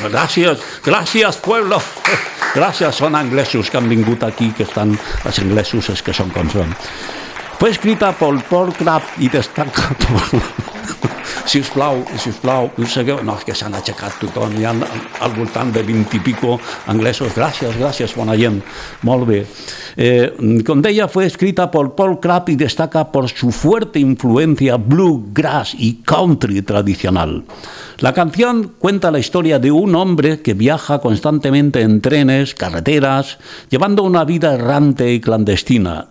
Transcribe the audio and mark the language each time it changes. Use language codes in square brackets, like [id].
[ca] Gràcies, gràcies, pueblo. Gràcies, són anglesos que han vingut aquí, que estan, els anglesos és que són com són. [es] Fue escrita por Paul Crabb y destaca por... [ca] Si us plau, no sé què, no, és que s'han aixecat tothom, hi ha al voltant de 20 i pico anglesos. Gràcies, bona gent, molt bé. Com deia, [es] fue escrita por Paul Crabb y destaca por su fuerte influencia bluegrass y country tradicional. La canción cuenta la historia de un hombre que viaja constantemente en trenes, carreteras, llevando una vida errante y clandestina.